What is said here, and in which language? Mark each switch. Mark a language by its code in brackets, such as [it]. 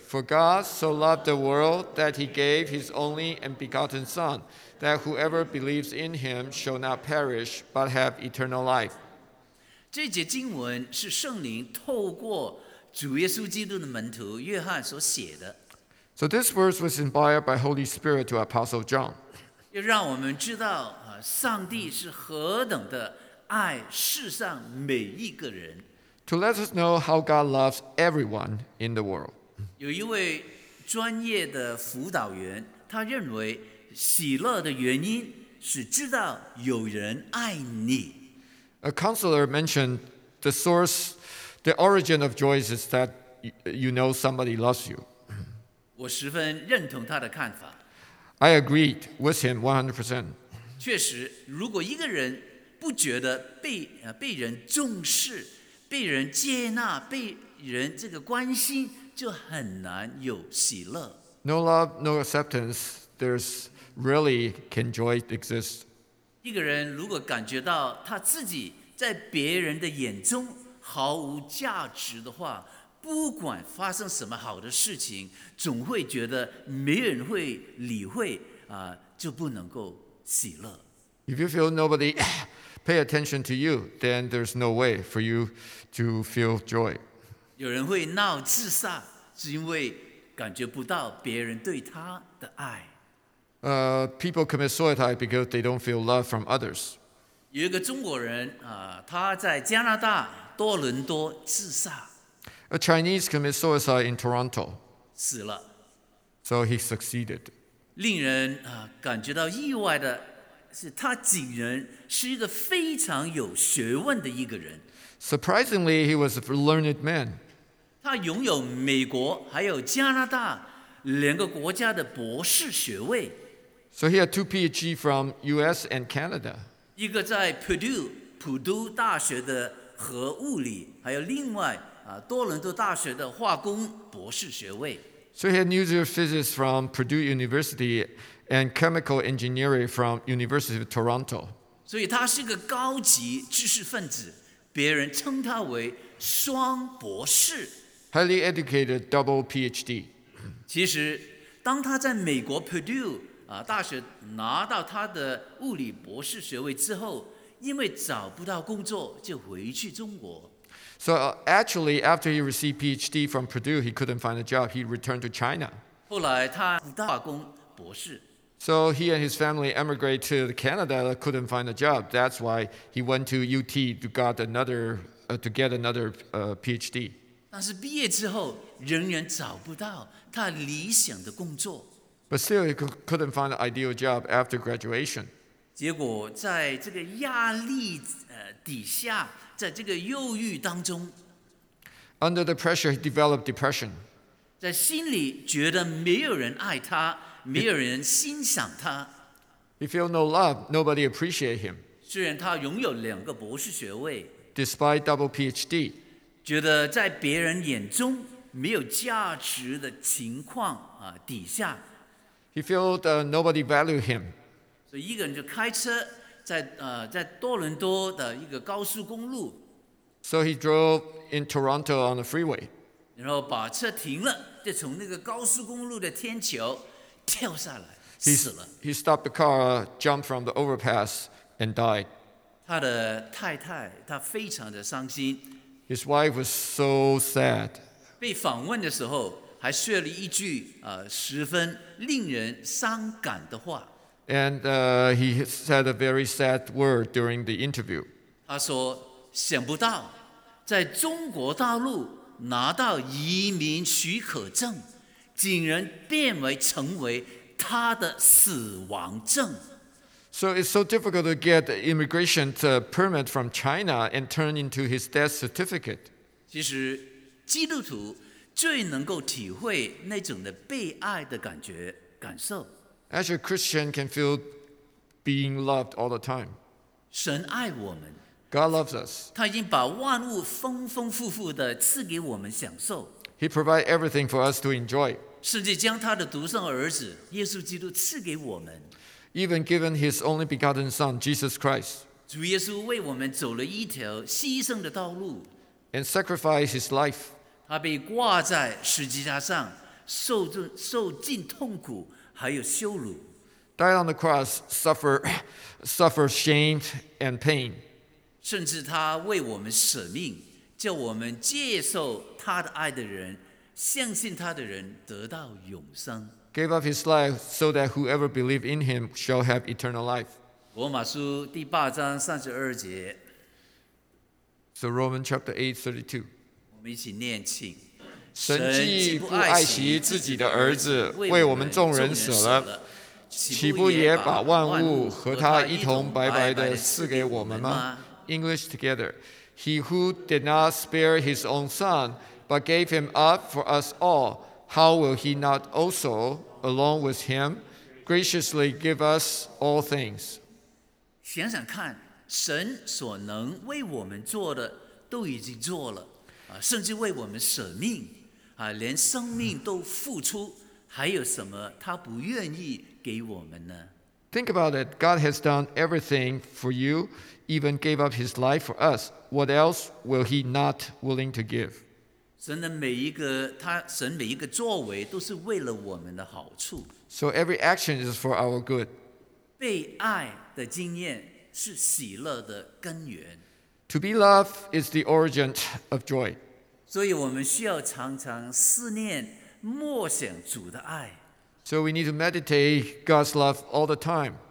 [en] For God so loved the world that he gave his only and begotten Son, that whoever believes in him shall not perish but have eternal life. [zh] 这节经文是圣灵透过主耶稣基督的门徒约翰所写的。 [en] So this verse was inspired by Holy Spirit to Apostle John. [zh] 要让我们知道上帝是何等的爱世上每一个人。 [en] To let us know how God loves everyone in the world. [zh] 有一位专业的辅导员，他认为喜乐的原因是知道有人爱你。 [en] A counselor mentioned the source, the origin of joy is that you know somebody loves you. [zh] 我十分认同他的看法。 [en] I agreed with him 100%. [zh] 确实，如果一个人不觉得 被人重视，被人接纳，被人这个关心，就很难有喜乐。 [en] No love, no acceptance, there's really can joy exist. [zh] 一个人如果感觉到他自己在别人的眼中毫无价值的话，不管发生什么好的事情，总会觉得没人会理会，就不能够喜乐。 [en] If you feel nobody pay attention to you, then there's no way for you to feel joy. [zh] 有人会闹自杀，是因为感觉不到别人对他的爱。 [en] People commit suicide because they don't feel love from others. [zh] 有一个中国人，他在加拿大多伦多自杀。 [en] A Chinese commit suicide in Toronto. [zh] 死了。 [en] So he succeeded. [zh] 令人，感觉到意外的是，他竟然是一个非常有学问的一个人。 [en] Surprisingly, he was a learned man. [zh] 他拥有美国还有加拿大两个国家的博士学位。 [en] So he had two PhD from US and Canada. [zh] 一个在 普渡大学的核物理，还有另外，多伦多大学的化工博士学位。 [en] So he had nuclear physics from Purdue University and chemical engineering from University of Toronto. [zh] 所以他是个高级知识分子，别人称他为双博士。 [en] Highly educated, double PhD. [zh] 其实，当他在美国 Purdue大学拿到他的物理博士学位之后，因为找不到工作，就回去中国。 [en] So actually, after he received PhD from Purdue, he couldn't find a job. He returned to China. [zh] 后来他不打工博士。 [en] So he and his family emigrated to Canada, couldn't find a job. That's why he went to UT to got another, to get another PhD. [zh] 但是毕业之后，仍然找不到他理想的工作。 [en] But still, he couldn't find an ideal job after graduation. [zh] 结果在这个压力底下，在这个忧郁当中， [en] Under the pressure, he developed depression. [zh] 在心里觉得没有人爱他，没有人欣赏他。 [en] He feel no love, nobody appreciate him. [zh] 虽然他拥有两个博士学位， [en] Despite double PhD. [zh] 觉得在别人眼中没有价值的情况底下， [en] He felt nobody valued him. [zh] So 一个人就开车在多伦多的一个高速公路。 [en] So he drove in Toronto on the freeway. [zh] 然后把车停了，就从那个高速公路的天桥跳下来，死了。 [en] He stopped the car, jumped from the overpass, and died. [zh] 他的太太，他非常的伤心。 [en] His wife was so sad. [zh] 被访问的时候还说了一句十分令人伤感的话。 [en] And he said a very sad word during the interview. [zh] 他说，想不到在中国大陆拿到移民许可证，竟然变为成为他的死亡证。 [en] So it's so difficult to get the immigration permit from China and turn into his death certificate. [zh] 其实基督徒最能够体会那种的被爱的感觉感受。 [en] As a Christian can feel being loved all the time. [zh] 神爱我们。 [en] God loves us. [zh] 他已经把万物丰丰富富的赐给我们享受。 [en] He provides everything for us to enjoy. [zh] 甚至将他的独生儿子耶稣基督赐给我们。 [en] Even given his only begotten son, Jesus Christ. [zh] 主耶稣为我们走了一条牺牲的道路。 [en] And sacrificed his life. [zh] 他被挂在十字架上，受尽痛苦，还有羞辱。 [en] Died on the cross, suffer shame and pain. [zh] 甚至他为我们舍命，叫我们接受他的爱的人，相信他的人得到永生。 [en] Gave up his life so that whoever believes in him shall have eternal life. [zh] 罗马书第八章三十二节。 [en] So Romans chapter 8:32. [zh] 我们一起念，请神既不爱惜自己的儿子，为我们众人舍了，岂不也把万物和他一同白白的赐给我们吗？ [en] English together. He who did not spare his own son, but gave him up for us all, how will he not also, along with him, graciously give us all things? [zh] 想想看，神所能为我们做的都已经做了，甚至为我们舍命，连生命都付出，还有什么他不愿意给我们呢？ [en] Think about it. God has done everything for you, even gave up his life for us. What else will he not willing to give? [zh] 神的每一个，他神每一个作为都是为了我们的好处。 [en] So every action is for our good. [zh] 被爱的经验是喜乐的根源。 [en] To be loved is the origin of joy. [zh] 所以我们需要常常思念默想主的爱。 [en] So we need to meditate God's love all the time.